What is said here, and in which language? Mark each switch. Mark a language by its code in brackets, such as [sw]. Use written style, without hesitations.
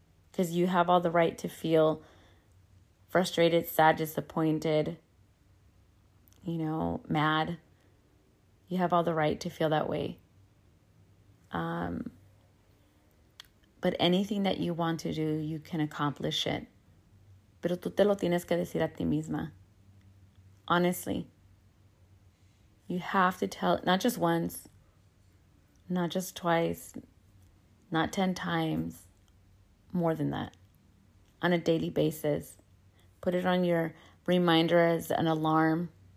[en] Because you have all the right to feel frustrated, sad, disappointed, you know, mad. You have all the right to feel that way. But anything that you want to do, you can accomplish it. [es] Pero tú te lo tienes que decir a ti misma. [en] Honestly. You have to tell, not just once, not just twice, not 10 times, more than that. On a daily basis. Put it on your reminder as an alarm.